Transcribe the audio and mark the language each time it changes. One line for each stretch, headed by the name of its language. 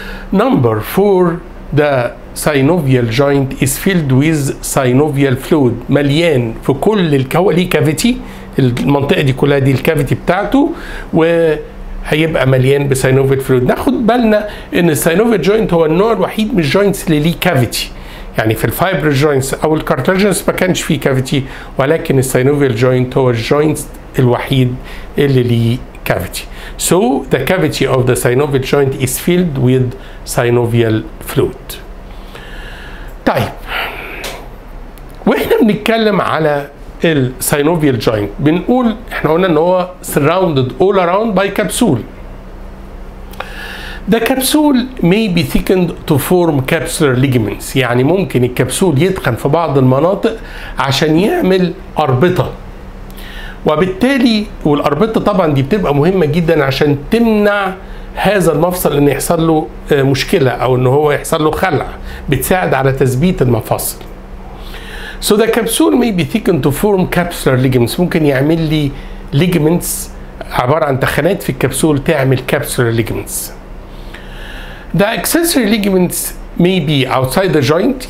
English: Number 4, the synovial joint is filled with synovial fluid.
Arabic: مليان في كل الكوالي كافيتي، المنطقة دي كلها دي الكافيتي بتاعته، وهيبقى مليان بسينوفيال فلويد. ناخد بالنا ان السينوفيال جوينت هو النوع الوحيد من الجوينتس اللي ليه كافيتي. يعني في الفايبر جوينتس او الكارتلاجينس ما كانش فيه كافيتي، ولكن السينوفيال جوينت هو الجوينتس الوحيد اللي ليه كافيتي.
English: So the cavity of the synovial joint is filled with synovial fluid.
Arabic: طيب واحنا بنتكلم على السينوفيال جوينت بنقول احنا قلنا ان هو
English: surrounded all around by capsule. The capsule may be thickened to form capsular ligaments.
Arabic: يعني ممكن الكبسول يتخن في بعض المناطق عشان يعمل أربطة، وبالتالي والأربطة طبعا دي بتبقى مهمة جدا عشان تمنع هذا المفصل ان يحصل له مشكلة او ان هو يحصل له خلع، بتساعد على تثبيت المفاصل.
English: So the capsule may be thickened to form capsular ligaments.
Arabic: ممكن يعمل لي ligaments عبارة عن تخانات في الكبسول تعمل
English: capsular ligaments. The accessory ligaments may be outside the joint.